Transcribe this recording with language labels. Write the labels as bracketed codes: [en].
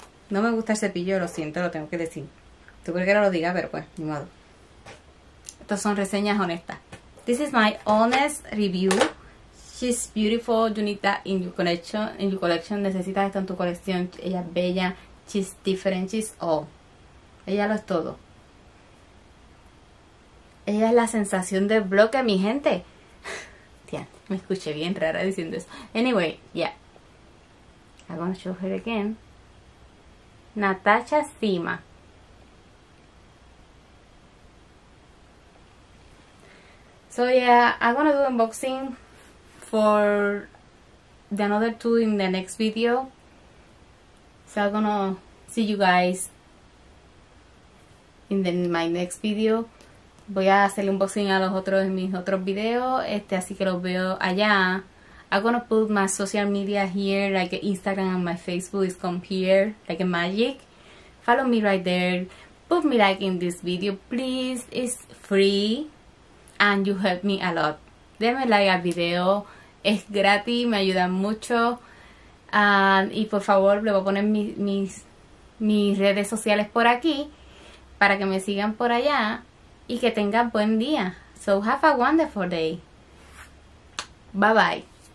[es] No me gusta el cepillo, lo siento, lo tengo que decir. Tú crees que no lo diga, pero pues, ni modo. Estas son reseñas honestas. [en] This is my honest review. She's beautiful, you need that in your collection. In your collection, [es] necesitas esto en tu colección. Ella es bella, [en] she's different, she's all. [es] Ella lo es todo. Ella es la sensación del bloque, mi gente. Tía, me escuché bien rara diciendo eso. [en] Anyway, yeah. I'm gonna show her again. Natasha Sima. So yeah, I'm gonna do unboxing for the another two in the next video. So I'm gonna see you guys in my next video. [es] Voy a hacerle un unboxing a los otros en mis otros videos, así que los veo allá. [en] I'm gonna put my social media here, like Instagram and my Facebook is come here, like a magic. Follow me right there. Put me like in this video, please. It's free and you help me a lot. [es] Denme like al video. Es gratis, me ayuda mucho. Y por favor, le voy a poner mis redes sociales por aquí para que me sigan por allá y que tengan buen día. [en] So have a wonderful day. Bye bye.